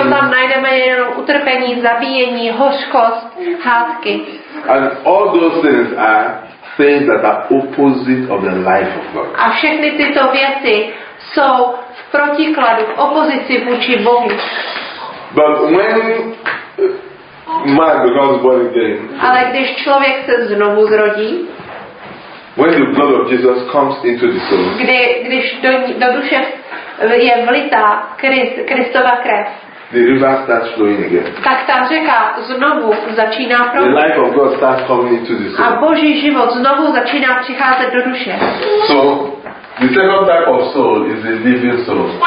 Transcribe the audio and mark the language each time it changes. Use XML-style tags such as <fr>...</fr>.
<cs>To tam najdeme jenom utrpení, zabíjení, hořkost, hádky.</cs> <en>And all those things are things that are opposite of the life of God.</en> <cs>A všechny tyto věci jsou protikladu, opozici vůči Bohu.</cs> <en>But when man becomes born again.</en> <cs>Ale když člověk se znovu zrodí.</cs> <en>When the blood of Jesus comes into the soul.</en> <cs>Když do duše je vlita Kristova krev.</cs> <en>The river starts flowing again.</en> <cs>Tak ta řeka znovu začíná proudit.</cs> <en>The life of God starts coming into the soul.</en> <cs>A Boží život znovu začíná přicházet do duše.</cs> <en>So the second type of soul is a living soul.</en>